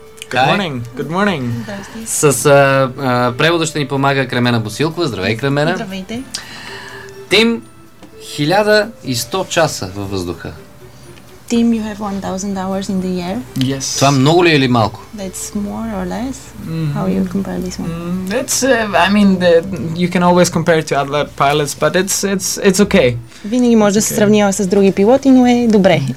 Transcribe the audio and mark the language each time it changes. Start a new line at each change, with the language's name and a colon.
English: Good morning.
Bulgarian: С превода ще ни помага Кремена Босилкова. Здравей, Кремена. Здравейте. Тим, 1100 часа във въздуха.
English: Team, you have 1000 hours in the year. Yes.
Bulgarian: Това много ли е или малко?
English: That's more or less. Mm-hmm. How you compare this one? That's, you can always compare to other pilots, but it's okay.
Bulgarian: Винаги може okay. да се сравнява с други пилоти, но е добре.